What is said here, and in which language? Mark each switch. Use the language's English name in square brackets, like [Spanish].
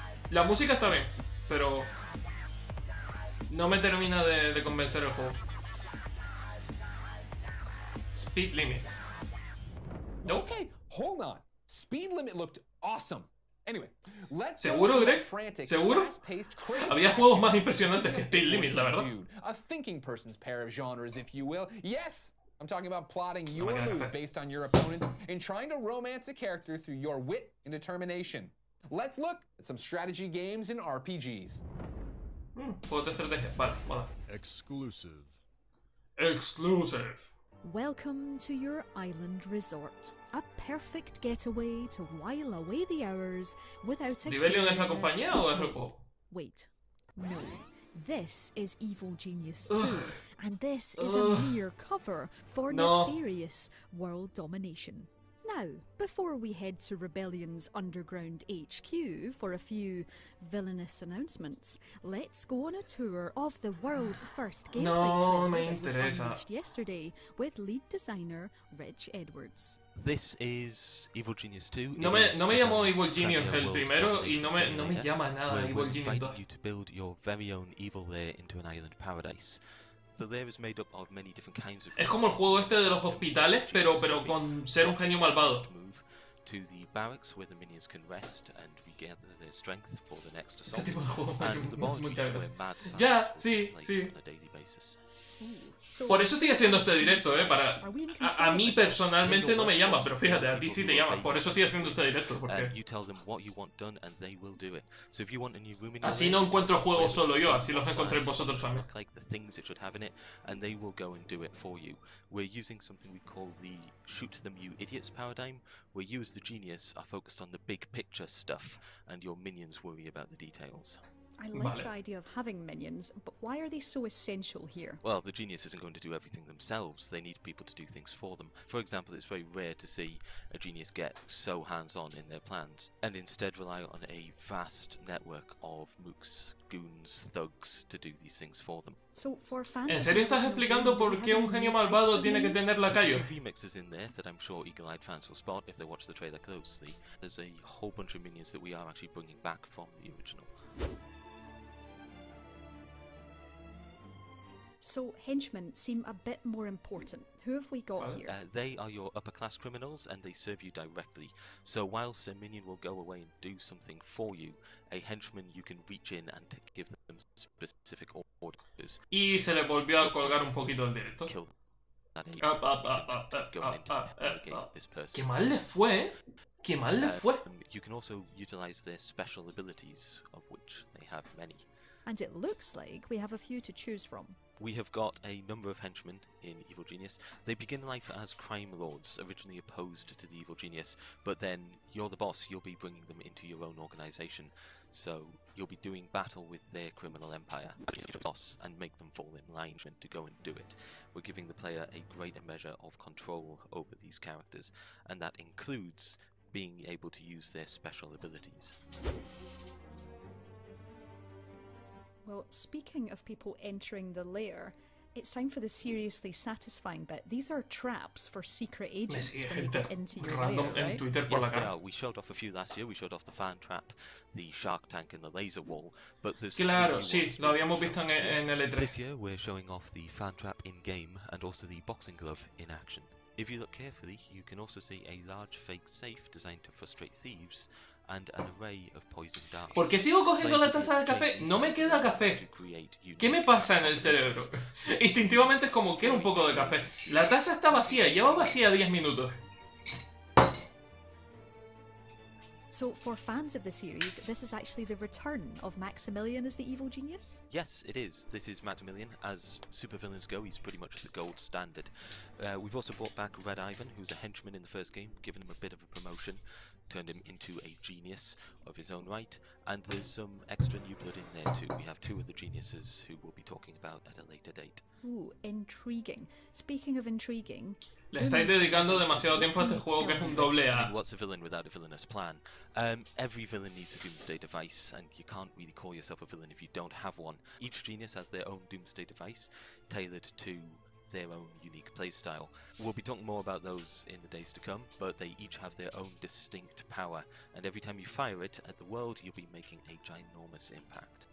[Spanish] La música está bien, pero no me termina de convencer el juego. [English] Speed limit. Nope. Okay, hold on. Speed limit looked awesome. Anyway, let's [Spanish] ¿seguro, Greg? ¿Seguro? Había juegos más impresionantes que Speed Limit, la verdad. [English] A thinking person's pair of genres, if you will. Yes, I'm talking about plotting your move based on your opponents and trying to romance a character through your wit and determination. Let's look at some strategy games and RPGs. [Spanish] Juegos de estrategia. Vale. [English] Exclusive. Exclusive. Welcome to your island resort. A perfect getaway to while away the hours without a... [Spanish] ¿Rebellion es la compañía o es el juego? [English] Wait. No. This is Evil Genius 2. And this is a mere cover for nefarious world domination. Now, before we head to Rebellion's underground HQ for a few villainous announcements, let's go on a tour of the world's first gameplay trailer that was published yesterday with lead designer Rich Edwards. This is Evil Genius 2. [Spanish] No me llamo Evil Genius el primero y no me llama nada Evil Genius 2. [English] We're inviting you to build your very own evil lair into an island paradise. The lair is made up of many different kinds of... [Spanish] Es como el juego este de los hospitales, pero con ser un genio malvado. [English] To the barracks where the minions can rest and regather their strength for the next assault. [Spanish] Este tipo de juego, [English] and the boss where mad [Spanish] sí. Basis. Por eso estoy haciendo este directo, para a mí personalmente no me llama, pero fíjate, a ti sí te llama. Por eso estoy haciendo este directo, porque [English] you tell them what you want done and they will do it. So if you want a new room in your... [Spanish] Así no encuentro juegos solo yo, así los encontré vosotros también. [English] Like the things it should have in it and they will go and do it for you. We're using something we call the shoot them you idiots paradigm, where you as the genius are focused on the big picture stuff and your minions worry about the details. I like the idea of having minions, but why are they so essential here? Well, the genius isn't going to do everything themselves. They need people to do things for them. For example, it's very rare to see a genius get so hands-on in their plans and instead rely on a vast network of mooks, goons, thugs to do these things for them. So for fans, [Spanish] ¿en serio estás explicando por qué un genio malvado tiene que tener la calle? [English] There's a few remixes in there that I'm sure eagle-eyed fans will spot if they watch the trailer closely. There's a whole bunch of minions that we are actually bringing back from the original. So henchmen seem a bit more important. Who have we got here? They are your upper class criminals and they serve you directly. So whilst a minion will go away and do something for you, a henchman you can reach in and give them specific orders. [Spanish] Y se le volvió a colgar un poquito el directo. [English] Kill that agent. [Spanish] Qué mal le fue. Qué mal le fue. [English] You can also utilize their special abilities, of which they have many. And it looks like we have a few to choose from. We have got a number of henchmen in Evil Genius. They begin life as crime lords, originally opposed to the Evil Genius, but then you're the boss, you'll be bringing them into your own organization. So you'll be doing battle with their criminal empire, boss, and make them fall in line to go and do it. We're giving the player a greater measure of control over these characters, and that includes being able to use their special abilities. Well, speaking of people entering the lair, it's time for the seriously satisfying bit. These are traps for secret agents when you get into your random lair, right? [Spanish] En Twitter por [English] yes, [Spanish] la cara. [English] They are. We showed off a few last year. We showed off the fan trap, the shark tank, and the laser wall. But there's... [Spanish] Claro, sí, lo habíamos visto en el E3. [English] This year, we're showing off the fan trap in-game and also the boxing glove in action. If you look carefully, you can also see a large fake safe designed to frustrate thieves and an array of poison darts. [Spanish] ¿Por qué sigo cogiendo la taza de café? No me queda café. ¿Qué me pasa en el cerebro? Instintivamente es como, quiero un poco de café. La taza está vacía, lleva vacía 10 minutos. [English] So for fans of the series, this is actually the return of Maximilian as the evil genius? Yes, it is. This is Maximilian. As supervillains go, he's pretty much the gold standard. We've also brought back Red Ivan, who's a henchman in the first game, given him a bit of a promotion, turned him into a genius of his own right, and there's some extra new blood in there too. We have two of the geniuses who we'll be talking about at a later date. Ooh, intriguing. Speaking of intriguing... [Spanish] Le estáis dedicando demasiado tiempo a este juego que es un doble A. [English] What's a villain without a villainous plan? Every villain needs a doomsday device, and you can't really call yourself a villain if you don't have one. Each genius has their own doomsday device, tailored to their own unique playstyle. We'll be talking more about those in the days to come, but they each have their own distinct power, and every time you fire it at the world, you'll be making a ginormous impact.